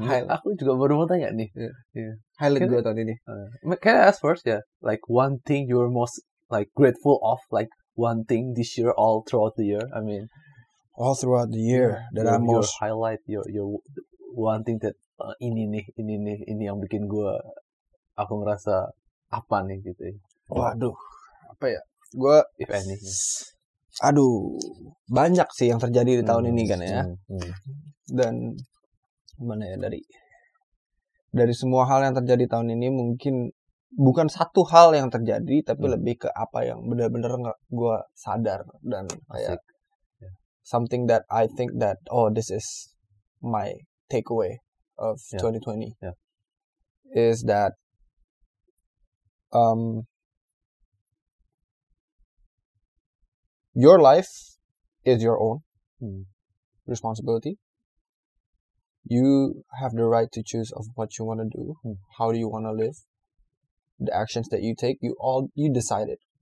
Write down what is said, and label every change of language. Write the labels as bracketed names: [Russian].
[Indonesian] Aku juga baru mau tanya nih. [English] Yeah. [Indonesian] Highlight gue tahun ini. [English] Can I ask first, yeah? Like one thing you're most like grateful of, like one thing this year all throughout the year? I mean. All throughout the year, yeah, that I'm most. Your highlight, your one thing that [Indonesian] ini yang bikin gue. Aku ngerasa apa nih gitu ya. Waduh, apa ya? Gua [English] if any. [Indonesian] Aduh, banyak sih yang terjadi di tahun ini kan ya. Dan mana ya, dari semua hal yang terjadi tahun ini mungkin bukan satu hal yang terjadi tapi lebih ke apa yang benar-benar gua sadar dan kayak [English] something that I think that oh this is my takeaway of 2020. Yeah. Is that your life is your own responsibility. You have the right to choose of what you want to do, how do you want to live, the actions that you take, you decide it.